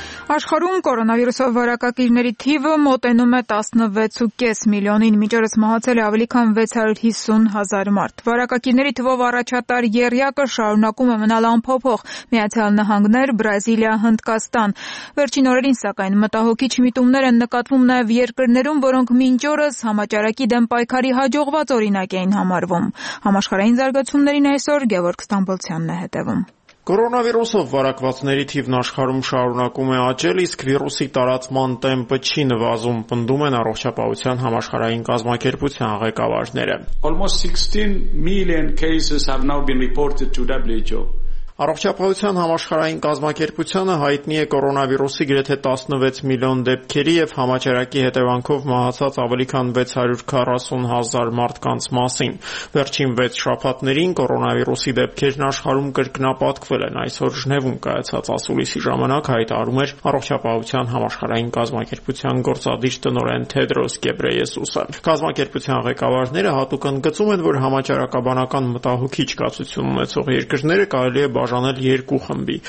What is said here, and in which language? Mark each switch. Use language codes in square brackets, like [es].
[hy] Աշխարհում կորոնավիրուսով վարակակիրների թիվը մոտենում է 16.5 միլիոնին, միջերս մահացել է ավելի քան 650,000 մարդ։ Վարակակիրների թվով առաջատար երյակը շարունակում է մնալ անփոփոխ՝ Միացյալ Նահանգներ, Բրազիլիա, Հնդկաստան։ Վերջին օրերին, սակայն, մտահոգիչ միտումներ են նկատվում նաև երկրներում, որոնք մինչ օրս համաճարակի դեմ պայքարի հաջողված օրինակ էին համարվում։ Համաշխարհային զարգացումներին այսօր Գևորգ Ստամբոլցյանն է հետևում։ Կորոնավիրուսով վարակվածների թիվն աշխարհում շարունակում է աճել, իսկ վիրուսի տարածման տեմպը չի նվազում, պնդում են առողջապահության համաշխարհային կազմակերպության ղեկավարները։ [en] Almost 16 million cases have now been reported to WHO. [hy] Առողջապահության համաշխարհային կազմակերպությունը հայտնի է կորոնավիրուսի գրեթե 16 միլիոն դեպքերի և համաճարակի հետևանքով մահացած ավելի քան 640,000 մարդկանց մասին։ Վերջին 6 շաբաթներին կորոնավիրուսի դեպքերն աշխարհում կրկնապատկվել են, այսօր Ժնևում կայացած ասուլիսի ժամանակ հայտարարում էր առողջապահության համաշխարհային կազմակերպության գործադիր տնօրեն Թեդրոս Գեբրեյեսուսը։ Կազմակերպության ղեկավարները հատուկ ընդգծում են, որ համաճարակաբանական մտահոգի չկացություն ունեցող երկրները կարելի է բաժանել երկու խմբի.